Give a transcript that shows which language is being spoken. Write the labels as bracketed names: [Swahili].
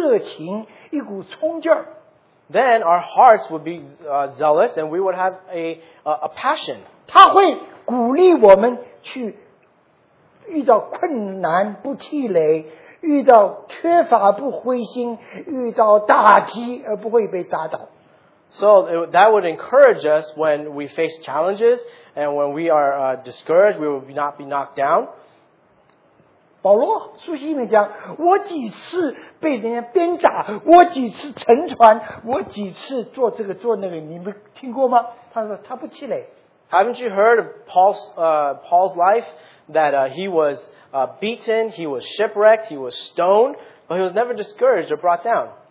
[Chinese] 我们的心里就产生一股热情，一股冲劲儿。 [English] Then our hearts would be zealous, and we would have a passion. [Chinese] 他会鼓励我们去遇到困难不气馁。遇到缺乏不灰心，遇到打击而不会被打倒。 [English] So that would encourage us when we face challenges and when we are discouraged, we will not be knocked down. [Chinese] 保罗书信里面讲，我几次被人家鞭打，我几次沉船，我几次做这个做那个，你们听过吗？他说他不气馁。 [English] Haven't you heard of Paul's life that he was beaten, he was shipwrecked, he was stoned, but he was never discouraged or brought down.